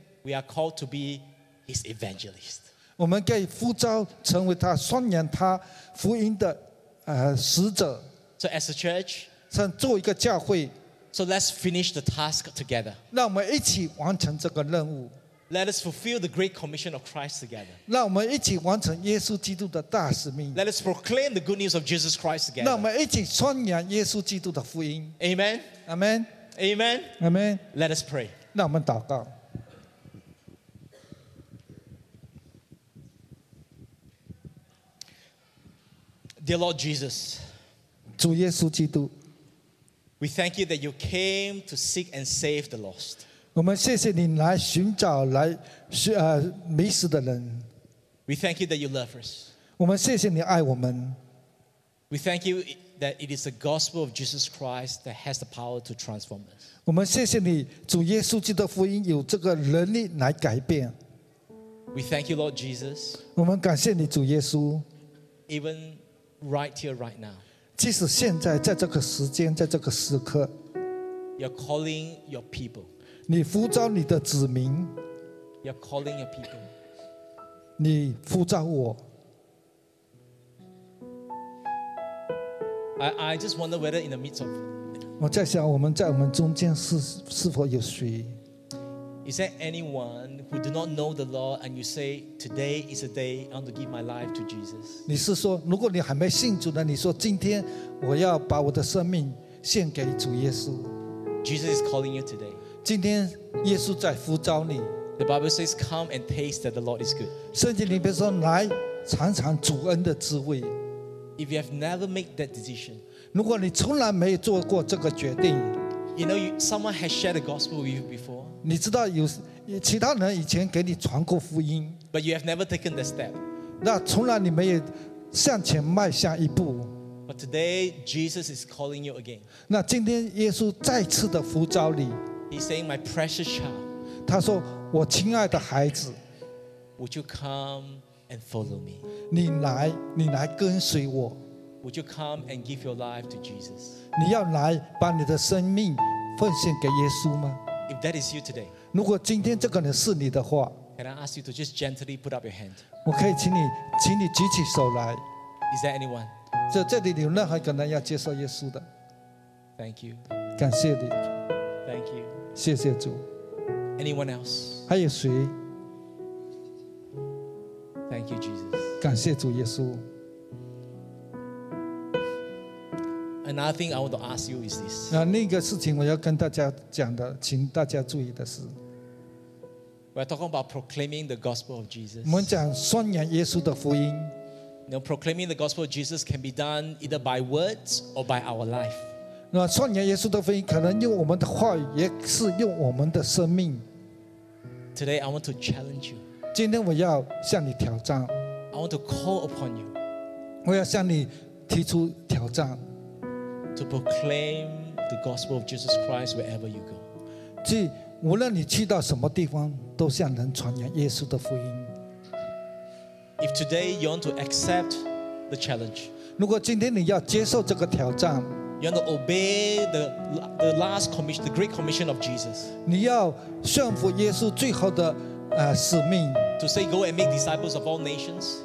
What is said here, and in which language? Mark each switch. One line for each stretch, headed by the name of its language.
English: we are called to be his evangelist.
Chinese: 我们该呼召成为他宣扬他福音的使者。
English: So as a church,
Chinese: 像做一个教会
English: so let's finish the task together.
Chinese: 让我们一起完成这个任务。
English: Let us fulfill the great commission of Christ together.
Chinese: 让我们一起完成耶稣基督的大使命。
English: Let us proclaim the good news of Jesus Christ together.
Chinese: 让我们一起宣扬耶稣基督的福音。
English: Amen. Amen. Amen. Amen. Let us pray.
Chinese: 让我们祷告。
English: Dear Lord Jesus,
Chinese: 主耶稣基督
English: we thank you that you came to seek and save the lost.
Chinese: 我们谢谢你来寻找来迷失的人。
English: We thank you that you love us.
Chinese: 我们谢谢你爱我们。
English: We thank you that it is the gospel of Jesus Christ that has the power to transform us.
Chinese: 我们谢谢你主耶稣基督的福音有这个能力来改变。
English: We thank you, Lord Jesus.
Chinese: 我们感谢你主耶稣。
English: Even right here, right now.
Chinese: 即使现在在这个时间在这个时刻。
English: You're calling your people.
Chinese: 你呼召你的子民
English: You're calling your people
Chinese: 你呼召我
English: I just wonder whether in the midst of
Chinese: 我在想我们在我们中间 是否有谁。
English: Is there anyone who do not know the Lord and you say, today is a day I want to give my life to Jesus?
Chinese: 你是说如果你还没信主呢，你说今天我要把我的生命献给主耶稣。
English: Jesus is calling you today.
Chinese: 今天耶稣在呼召你。
English: The Bible says, come and taste that the Lord is good.
Chinese: 圣经里面说来尝尝主恩的滋味。
English: If you have never made that decision,
Chinese: 如果你从来没有做过这个决定，
English: you know, someone has shared the gospel with you before.
Chinese: 你知道有其他人以前给你传过福音，
English: But you have never taken the step.
Chinese: 那从来你没有向前迈向一步。
English: But today Jesus is calling you again.
Chinese: 那今天耶稣再次的呼召你。
English: He's saying, "My precious child."
Chinese: 他说，我亲爱的孩子。
English: Would you come and follow me?
Chinese: 你来跟随我。
English: Would you come and give your life to Jesus?
Chinese: 你要来把你的生命奉献给耶稣吗？
English: If that is you today,
Chinese: 如果今天这个人是你的话，
English: can I ask you to just gently put up your hand?
Chinese: 我可以请你举起手来。
English: Is there anyone?
Chinese: 这里有任何可能要接受耶稣的？
English: Thank you.
Chinese: 感谢你。
English: Thank you.
Chinese: 谢谢主。
English: Anyone else?
Chinese: 还有谁？
English: Thank you, Jesus.
Chinese: 感谢主耶稣。
English: Another thing I want to ask you is this.
Chinese: 那另一个事情我要跟大家讲的，请大家注意的是
English: ，We're talking about proclaiming the gospel of Jesus.
Chinese: 我们讲宣扬耶稣的福音。
English: Now, proclaiming the gospel of Jesus can be done either by words or by our life.
Chinese: 那宣扬耶稣的福音可能用我们的话语，也是用我们的生命。
English: Today, I want to challenge you.
Chinese: 今天我要向你挑战。
English: I want to call upon you.
Chinese: 我要向你提出挑战。
English: To proclaim the gospel of Jesus Christ wherever you go.
Chinese: 即无论你去到什么地方，都向人传扬耶稣的福音。
English: If today you want to accept the challenge,
Chinese: 如果今天你要接受这个挑战，
English: you want to obey the last commission, the great commission of Jesus.
Chinese: 你要顺服耶稣最后的使命。
English: To say, go and make disciples of all nations.